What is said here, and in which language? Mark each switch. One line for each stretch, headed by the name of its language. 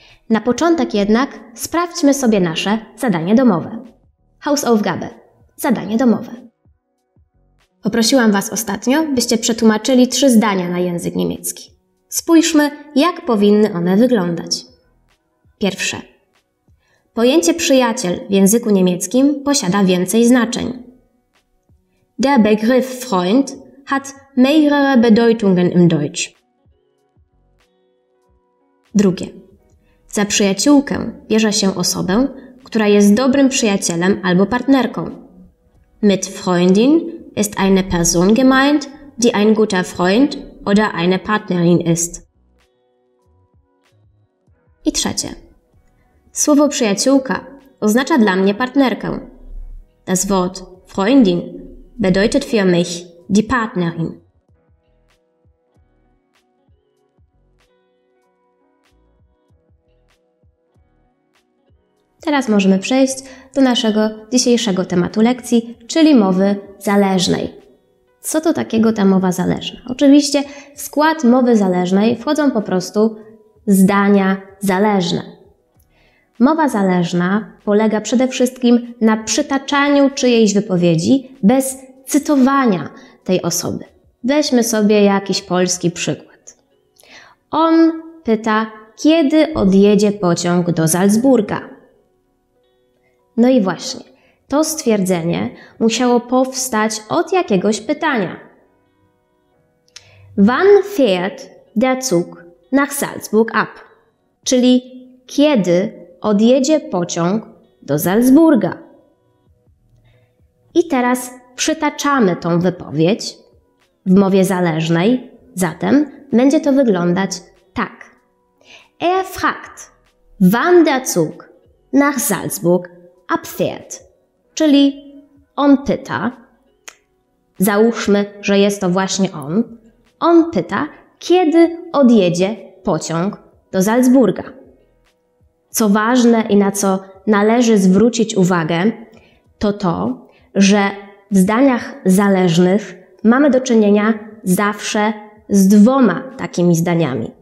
Polish: Na początek jednak sprawdźmy sobie nasze zadanie domowe. Hausaufgabe. Zadanie domowe. Poprosiłam Was ostatnio, byście przetłumaczyli trzy zdania na język niemiecki. Spójrzmy, jak powinny one wyglądać. Pierwsze. Pojęcie przyjaciel w języku niemieckim posiada więcej znaczeń.
German: Der Begriff Freund hat mehrere Bedeutungen im Deutsch.
Polish: Drugie. Za przyjaciółkę bierze się osobę, która jest dobrym przyjacielem albo partnerką.
German: Mit Freundin ist eine Person gemeint, die ein guter Freund oder eine Partnerin ist.
Polish: I trzecie. Słowo przyjaciółka oznacza dla mnie partnerkę.
German: Das Wort Freundin bedeutet für mich die Partnerin.
Polish: Teraz możemy przejść do naszego dzisiejszego tematu lekcji, czyli mowy zależnej. Co to takiego ta mowa zależna? Oczywiście w skład mowy zależnej wchodzą po prostu zdania zależne. Mowa zależna polega przede wszystkim na przytaczaniu czyjejś wypowiedzi bez cytowania tej osoby. Weźmy sobie jakiś polski przykład. On pyta, kiedy odjedzie pociąg do Salzburga. No i właśnie, to stwierdzenie musiało powstać od jakiegoś pytania.
German: Wann fährt der Zug nach Salzburg ab?
Polish: Czyli kiedy odjedzie pociąg do Salzburga? I teraz przytaczamy tą wypowiedź w mowie zależnej, zatem będzie to wyglądać tak.
German: Er fragt, wann der Zug nach Salzburg abfährt,
Polish: czyli on pyta, załóżmy, że jest to właśnie on pyta, kiedy odjedzie pociąg do Salzburga. Co ważne i na co należy zwrócić uwagę, to, że w zdaniach zależnych mamy do czynienia zawsze z dwoma takimi zdaniami.